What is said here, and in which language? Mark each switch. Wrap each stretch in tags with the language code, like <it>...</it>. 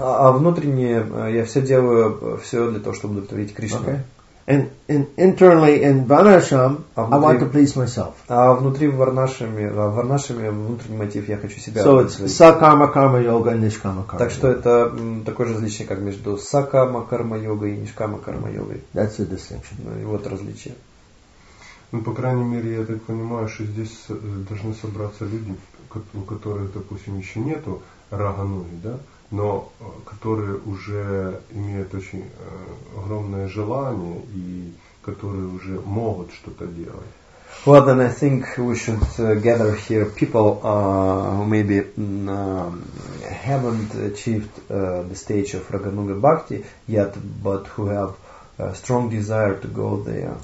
<ru>А внутренне я все делаю все для того, чтобы удовлетворить Кришну.</ru> <en>And internally in Varnashram, I want to please myself.</en> <ru>А внутри в Варнашраме внутренний мотив я хочу себя.</ru> <en>So it's</en> <ru>сакама карма йога и нишкама карма. Так что это такое же различие, как между сакама карма йогой и нишкама карма йогой.</ru> <en>That's the distinction.</en> <ru>И вот различие. Ну, по крайней мере, я так понимаю, что здесь должны собраться люди, у которых, допустим, еще нету рагануги, да, но которые уже имеют очень огромное желание и которые уже могут что-то делать.</ru> <en>Well, then I think we should gather here people who maybe haven't achieved the stage of Raganuga Bhakti yet, but who have a strong desire to go there.</en>